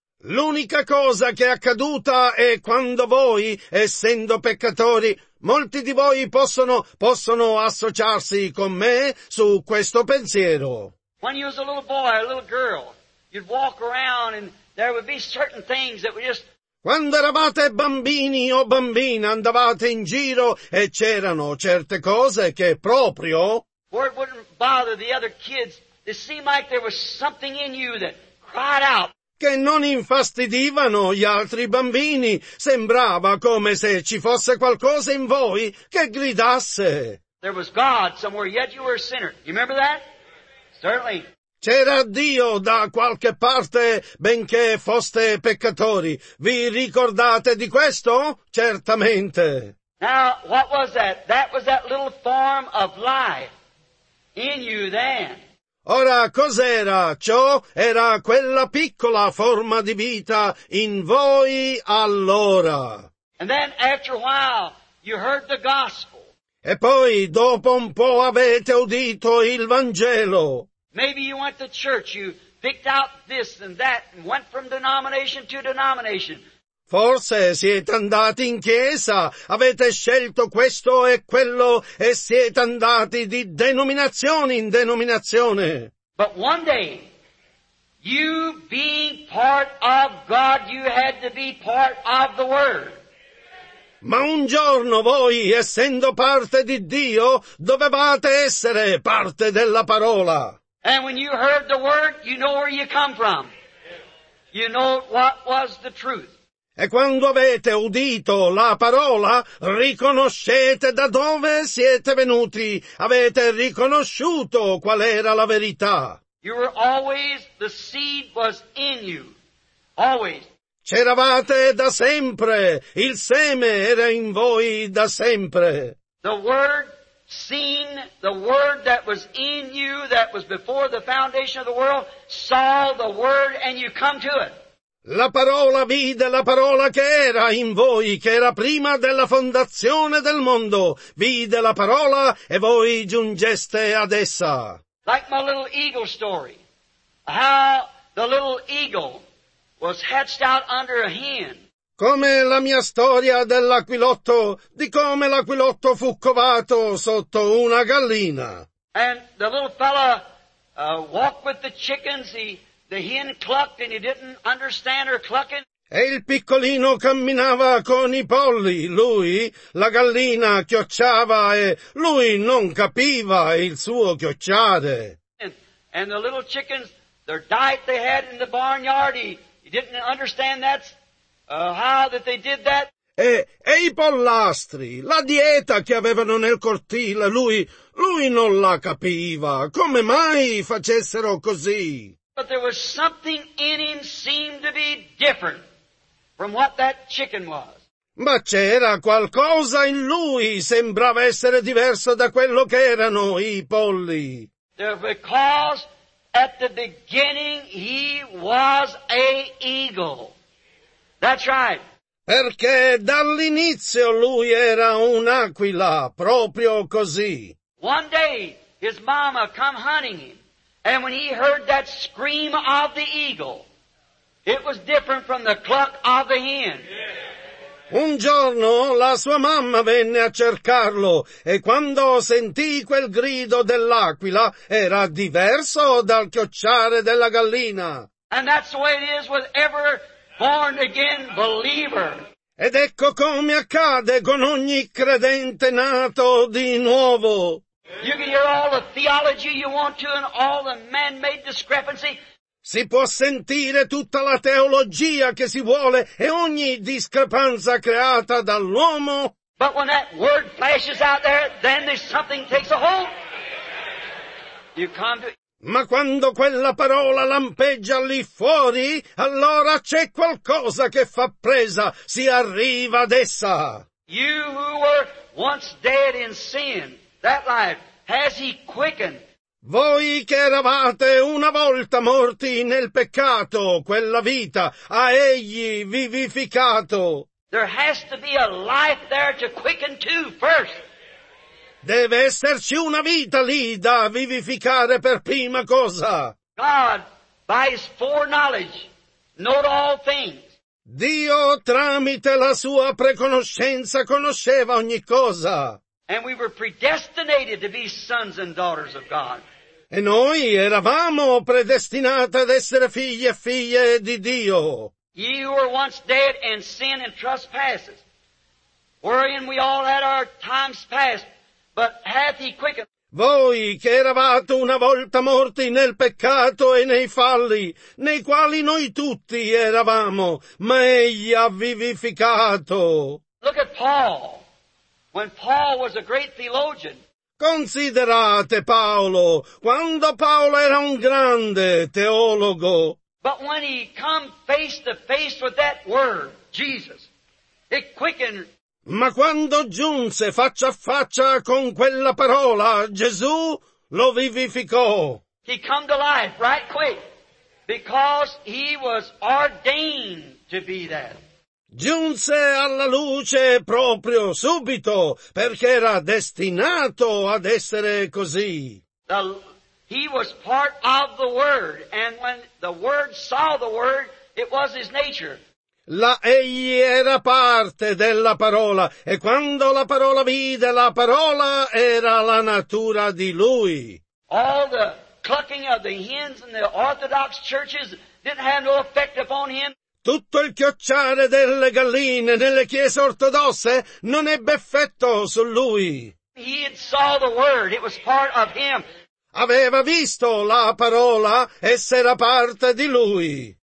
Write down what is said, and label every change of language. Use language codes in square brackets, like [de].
[it] L'unica cosa che è accaduta è quando voi, essendo peccatori, molti di voi possono associarsi con me su questo pensiero. [en] When you was a little boy, a little girl, you'd walk around and there would be certain things that were just... [it] Quando eravate bambini o bambine, andavate in giro e c'erano certe cose che proprio... [en] Where it wouldn't bother the other kids, it seemed like there was something in you that cried out. [it] Che non infastidivano gli altri bambini. Sembrava come se ci fosse qualcosa in voi che gridasse. [en] There was God somewhere, yet you were a sinner. You remember that? Certainly. [it] C'era Dio da qualche parte, benché foste peccatori. Vi ricordate di questo? Certamente. [en] Now, what was that? That was that little form of life in you then. [it] Ora, cos'era ciò? Era quella piccola forma di vita in voi allora. [en] And then, after a while, you heard the gospel. [it] E poi, dopo un po', avete udito il Vangelo. [en] Maybe you went to church, you picked out this and that and went from denomination to denomination. [it] Forse siete andati in chiesa, avete scelto questo e quello e siete andati di denominazione in denominazione. [en] But one day, you being part of God, you had to be part of the Word. [it] Ma un giorno voi, essendo parte di Dio, dovevate essere parte della parola. [en] And when you heard the word, you know where you come from. You know what was the truth. [it] E quando avete udito la parola, riconoscete da dove siete venuti. Avete riconosciuto qual era la verità. [en] You were always, the seed was in you. Always. [it] C'eravate da sempre. Il seme era in voi da sempre. [en] The word seen, the word that was in you, that was before the foundation of the world, saw the word and you come to it. [it] La parola vide la parola che era in voi, che era prima della fondazione del mondo. Vide la parola e voi giungeste ad essa. [en] Like my little eagle story. How the little eagle was hatched out under a hen. [it] Come la mia storia dell'aquilotto, di come l'aquilotto fu covato sotto una gallina. [en] And the little fella walked with the chickens, the hen clucked and he didn't understand her clucking. [it] E il piccolino camminava con i polli, lui, la gallina chiocciava e lui non capiva il suo chiocciare. [en] And the little chickens, their diet they had in the barnyard, he didn't understand how that they did that. [it] E i pollastri, la dieta che avevano nel cortile, lui non la capiva. Come mai facessero così? [en] But there was something in him seemed to be different from what that chicken was. [it] Ma c'era qualcosa in lui sembrava essere diverso da quello che erano i polli. [en] Because at the beginning he was a eagle. That's right. [it] Perché dall'inizio lui era un'aquila, proprio così. [en] One day his mama come hunting him, and when he heard that scream of the eagle, it was different from the cluck of the hen. [it] Un giorno la sua mamma venne a cercarlo, e quando sentì quel grido dell'aquila, era diverso dal chiocciare della gallina. [en] And that's the way it is with every born again believer. [it] Ed ecco come accade con ogni credente nato di nuovo. [en] You can hear all the theology you want to and all the man-made discrepancy. [it] Si può sentire tutta la teologia che si vuole e ogni discrepanza creata dall'uomo. [en] But when that word flashes out there, then there's something takes a hold. You come to... [it] Ma quando quella parola lampeggia lì fuori, allora c'è qualcosa che fa presa, si arriva ad essa. [en] You who were once dead in sin, that life, has he quickened? [it] Voi che eravate una volta morti nel peccato, quella vita, ha egli vivificato. [en] There has to be a life there to quicken to first. [it] Deve esserci una vita lì da vivificare per prima cosa. [en] God, by his foreknowledge, knows all things. [it] Dio, tramite la sua preconoscenza, conosceva ogni cosa. [en] And we were predestinated to be sons and daughters of God. [it] E noi eravamo predestinati ad essere figli e figlie di Dio. [en] Ye who were once dead in sin and trespasses, wherein we all had our times past, but hath he quickened. [it] Voi che eravate una volta morti nel peccato e nei falli, nei quali noi tutti eravamo, ma egli ha vivificato. [en] Look at Paul. When Paul was a great theologian, [it] considerate Paolo, quando Paolo era un grande teologo. [en] But when he come face to face with that word, Jesus, it quickened. [it] Ma quando giunse faccia a faccia con quella parola, Gesù lo vivificò. [en] He come to life right quick, because he was ordained to be that. [it] Giunse alla luce proprio subito, perché era destinato ad essere così. [en] He was part of the Word, and when the Word saw the Word, it was his nature. [it] Egli era parte della parola, e quando la parola vide la parola, era la natura di lui. [en] All the clucking of the hens in the Orthodox churches didn't have no effect upon him. [it] Tutto il chiocciare delle galline nelle chiese ortodosse non ebbe effetto su lui. [en] He had saw the word. It was part of him. [it] Aveva visto la parola, essa era parte di lui.